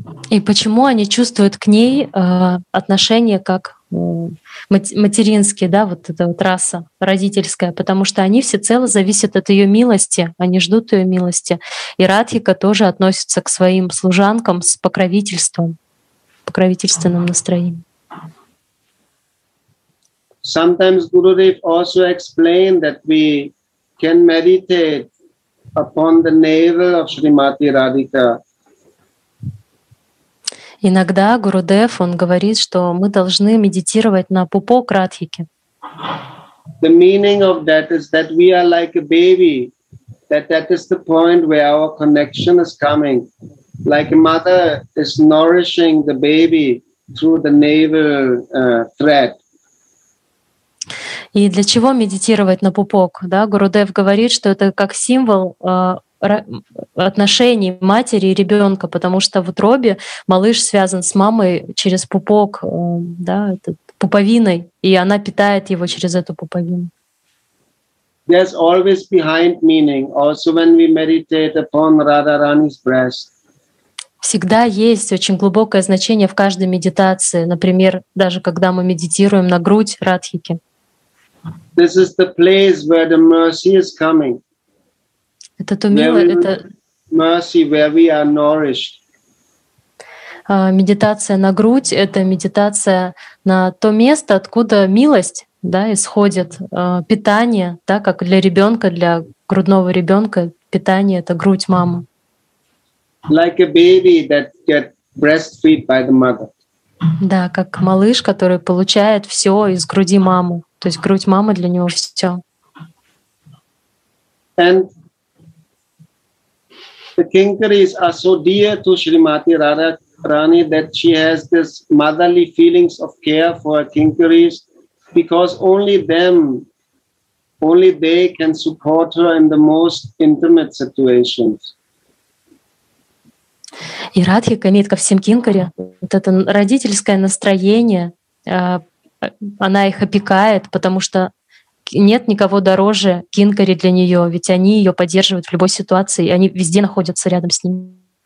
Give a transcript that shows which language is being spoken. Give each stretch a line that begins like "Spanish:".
Russian: И почему они чувствуют к ней отношения как материнские, да, вот эта вот раса родительская, потому что они всецело зависят от ее милости, они ждут ее милости. И Радхика тоже относится к своим служанкам с покровительством, покровительственным настроением.
English: Sometimes Gurudev also explained that we can meditate upon the navel of Shrimati Radhika.
Russian: Иногда Гурудев, он говорит, что мы должны медитировать на пупок Радхики.
English: The meaning of that is that we are like a baby, that is the point where our connection is coming. Like a mother is nourishing the baby through the navel thread.
Russian: И для чего медитировать на пупок? Да, Гурудев говорит, что это как символ отношений матери и ребенка, потому что в утробе малыш связан с мамой через пупок, да, этот, пуповиной, и она питает его через эту пуповину.
English: There's always behind meaning, also when we meditate upon Radharani's breast.
Russian: Всегда есть очень глубокое значение в каждой медитации, например, даже когда мы медитируем на грудь Радхики.
English: This is the place where the mercy is coming.
Russian: Это то место, это
English: mercy, where we are nourished.
Russian: Медитация на грудь — это медитация на то место, откуда милость, да, исходит, питание, да, как для ребенка, для грудного ребенка питание — это грудь мамы.
English: Like a baby that gets breastfed by the mother.
Russian: Да, как малыш, который получает все из груди мамы. То есть грудь мамы для него все.
English: And the Kinkaris are so dear to Shrimati Radharani that she has this motherly feelings of care for Kinkaris because only them, only they can support her in the most intimate situations.
Russian: И Радхика имеет ко всем Кинкари вот это родительское настроение. Она их опекает, потому что нет никого дороже Кинкари для нее, ведь они ее поддерживают в любой ситуации, и они везде находятся рядом с ним.